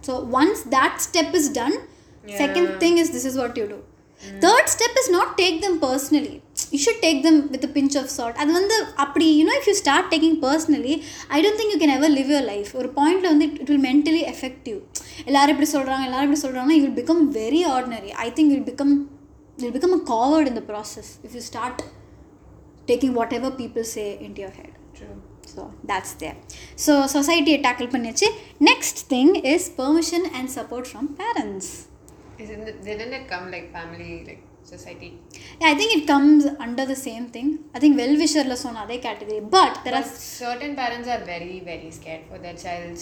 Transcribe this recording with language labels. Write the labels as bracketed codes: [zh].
[en] So once that step is done, second thing is this is what you do. Third step is not take them personally. You should take them with a pinch of salt. [ta] அது வந்து அப்படி, [en] you know, if you start taking personally, I don't think you can ever live your life. [ta] ஒரு பாயிண்ட்ல வந்து [en] It will mentally affect you. [ta] எல்லாரும் இப்படி சொல்கிறாங்க, எல்லாரும் இப்படி சொல்கிறாங்க, [en] You will become very ordinary. I think you will become, you will become a coward in the process if you start taking whatever people say into your head. True. So that's there. So society tackle [ta] panniyachu. [en] Next thing is permission and support from parents. Didn't it come like family, like society? Yeah, I think it comes under the same thing. I think well-wisher [ta] la sonna adhe [en] category. But there are certain parents are very, very scared for their child's